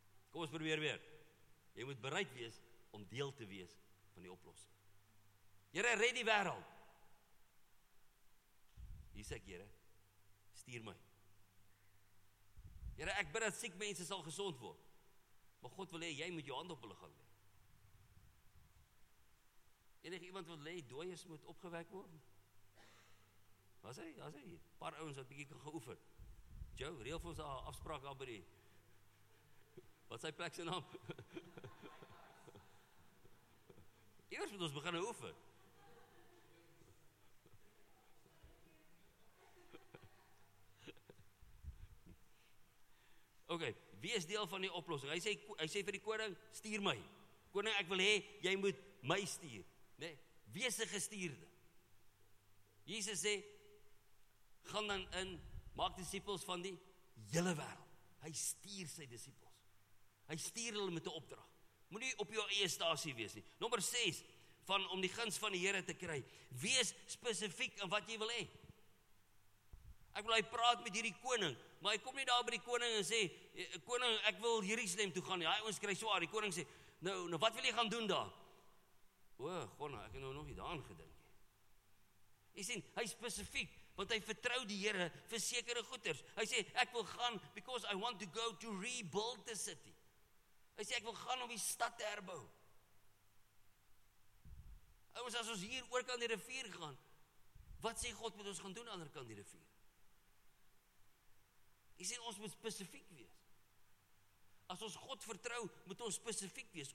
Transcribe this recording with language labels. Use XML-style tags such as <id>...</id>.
<af>Kom ons probeer weer. Jy moet bereid wees om deel te wees van die oplossing. Here, red die wêreld. Hier sê ek, Here, stuur my. Here, ek bid dat siek mense sal gesond word. Maar God wil hê jy moet jou hand op hulle gaan lê. Enig iemand wat lê, dooies moet opgewek word. Was hy, as hy, paar ouens wat bietjie kan geoefen. Joe, reël vir ons 'n afspraak aan by die, wat sy plek se naam? Eers moet ons begin oefen. Ok, wees deel van die oplossing. Hy sê vir die koning, stuur my. Koning, ek wil hê, jy moet my stuur. Nee, wees 'n gestuurde. Jesus sê, gaan dan in, maak disippels van die hele wêreld. Hy stuur sy disippels. Hy stuur hulle met 'n opdrag. Moenie op jou eie stasie wees nie. Nommer 6, van om die guns van die Here te kry. Wees spesifiek in wat jy wil hê. Ek wil hy praat met hierdie koning, maar hy kom nie daar by die koning en sê, koning, ek wil Jerusalem toe gaan. Ja, ons kry swaar. Die koning sê, nou wat wil jy gaan doen daar? O, God, ek het nou nog nie daaraan gedink. Jy sien, hy is spesifiek, want hy vertrou die Here vir sekere goeders. Hy sê, ek wil gaan,</af> <en>because I want to go to rebuild the city.</en> <af>Hy sê, ek wil gaan om die stad te herbou. Ouens, as ons hier oor kan die rivier gaan, wat sê God met ons gaan doen aan die ander kant die rivier? Jy sê, ons moet spesifiek wees. As ons God vertrou, moet ons spesifiek wees.</af>